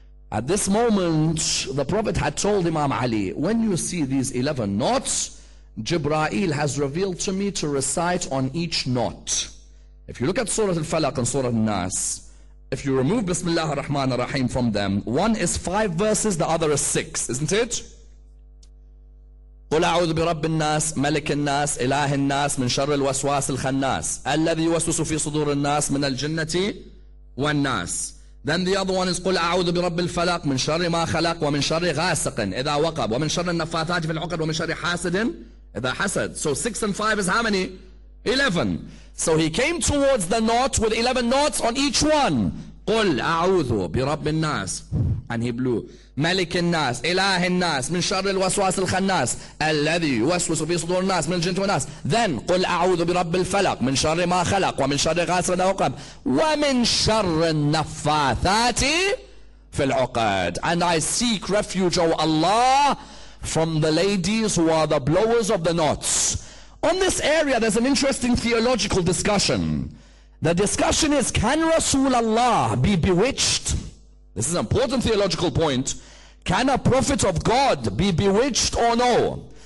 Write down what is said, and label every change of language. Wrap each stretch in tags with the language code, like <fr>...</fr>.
<en>At this moment, the Prophet had told Imam Ali, when you see these 11 knots, Jibreel has revealed to me to recite on each knot. If you look at Surah Al-Falaq and Surah Al-Nas, if you remove Bismillah ar-Rahman ar-Rahim from them, one is 5 verses, the other is 6, isn't it? قل أعوذ برب الناس ملك الناس إله الناس من شر الوسواس الخناس الذي يوسوس في صدور الناس من الجنة والناس. Then the other one is</en> <ar>قل أعوذ برب الفلق من شر ما خلق ومن شر غاسق إذا وقب ومن شر النفاثات في العقد ومن شر حاسد إذا حسد. So 6 and 5 is how many? 11. So he came towards the knot with 11 knots on each one. قل أعوذ برب الناس.</ar> <en>And he blew.</en> <ar>ملك الناس إله الناس من شر الوسواس الخناس الذي يوسوس في صدور الناس من الجن والناس.</ar> <en>Then</en> <ar>قل أعوذ برب الفلق من شر ما خلق ومن شر غاسق إذا وقب ومن شر النفاثات في العقد.</ar> <en>And I seek refuge, O Allah, from the ladies who are the blowers of the knots. On this area, there's an interesting theological discussion. The discussion is, can Rasulullah be bewitched? This is an important theological point. Can a prophet of God be bewitched or no?</en>